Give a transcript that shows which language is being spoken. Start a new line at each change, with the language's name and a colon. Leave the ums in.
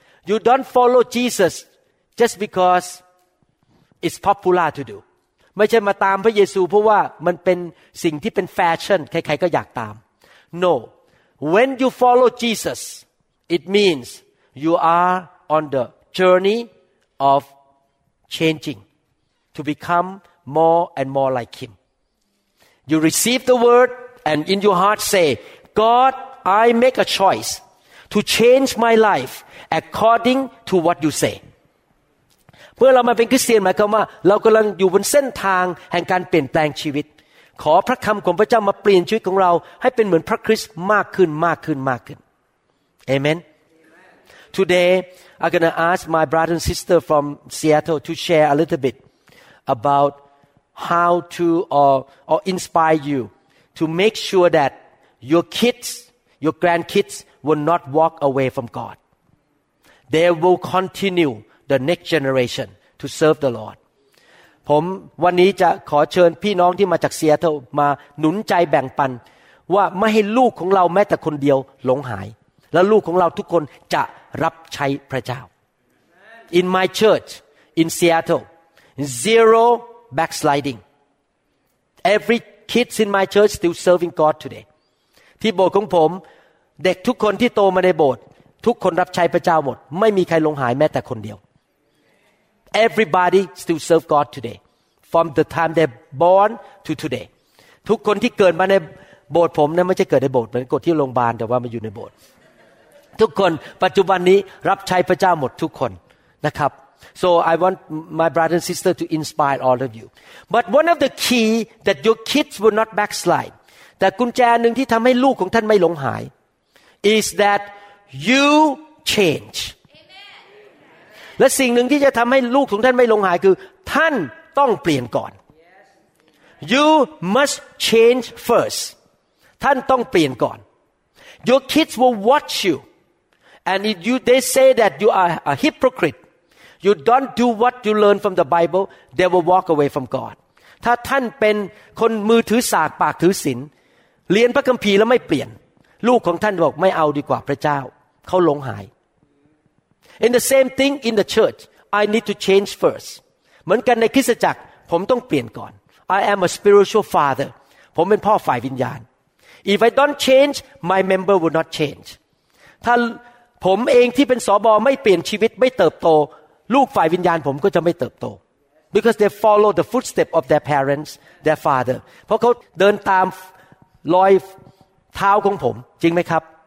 English: you don't follow Jesus just because it's popular to do
Thai: ไม่ใช่มาตามพระเยซู เพราะว่ามันเป็นสิ่งที่เป็นแฟชั่นใครๆก็อยากตาม
English: no when you follow Jesus it means you are on the journey of changing to become more and more like him. You receive the word and in your heart say, God, I make a choice to change my life according to what you say.
Thai: เมื่อเรามาเป็นคริสเตียนหมายความว่าเรากําลังอยู่บนเส้นทางแห่งการเปลี่ยนแปลงชีวิตขอพระคําของพระเจ้ามาเปลี่ยนชีวิตของเราให้เป็นเหมือนพระคริสต์มากขึ้นมากขึ้นมากขึ้นเอเมน
English: today I'm gonna ask my brother and sister from Seattle to share a little bit about how to or, or inspire you to make sure that your kids, your grandkids will not walk away from God. They will continue the next generation to serve the Lord.
Thai: ผมวันนี้จะขอเชิญพี่น้องที่มาจากเซียเตลมาหนุนใจแบ่งปัน ว่าไม่ให้ลูกของเราแม้แต่คนเดียวหลงหาย และลูกของเราทุกคนจะรับใช้พระเจ้า
English: In my church in Seattle zero backsliding. Every kids in my church still serving God today.
Thai: ที่โบสถ์ของผมเด็กทุกคนที่โตมาในโบสถ์ทุกคนรับใช้พระเจ้าหมด ไม่มีใครลงหายแม้แต่คนเดียว
English: Everybody still serve God today from the time they born to today
Thai: ทุกคนที่เกิดมาในโบสถ์ผมเนี่ยไม่ใช่เกิดในโบสถ์เหมือนกดที่โรงพยาบาลแต่ว่ามาอยู่ในโบสถ์ทุกคนปัจจุบันนี้รับใช้พระเจ้าหมดทุกคนนะครับ
English: So I want my brother and sister to inspire all of you. But one of the key that your kids will not backslide, the that
Thai: กุญแจหนึ่งที่ทำให้ลูกของท่านไม่หลงหาย,
English: is that you change. Amen.
Thai: และสิ่งหนึ่งที่จะทำให้ลูกของท่านไม่หลงหายคือท่านต้องเปลี่ยนก่อน.
English: You must change first.
Thai: ท่านต้องเปลี่ยนก่อน.
English: Your kids will watch you, and if you they say that you are a hypocrite. you don't do what you learn from the Bible they will walk away from God
Thai: ถ้าท่านเป็นคนมือถือสากปากถือศีลเรียนพระคัมภีร์แล้วไม่เปลี่ยน ลูกของท่านบอกไม่เอาดีกว่าพระเจ้าเขาหลงหาย
English: in the same thing in the church I need to change first
Thai: เหมือนกันในคริสตจักรผมต้องเปลี่ยนก่อน
English: I am a spiritual father
Thai: ผมเป็นพ่อฝ่ายวิญญาณ
English: if I don't change my member will not change
Thai: ถ้าผมเองที่เป็นสอบอไม่เปลี่ยนชีวิตไม่เติบโตลูกฝ่ายวิญญาณผมก็จะไม่เติบโต
English: because they follow the footstep of their parents their father
Thai: เพราะเขาเดินตามรอยเท้าของผมจริงไหมครับ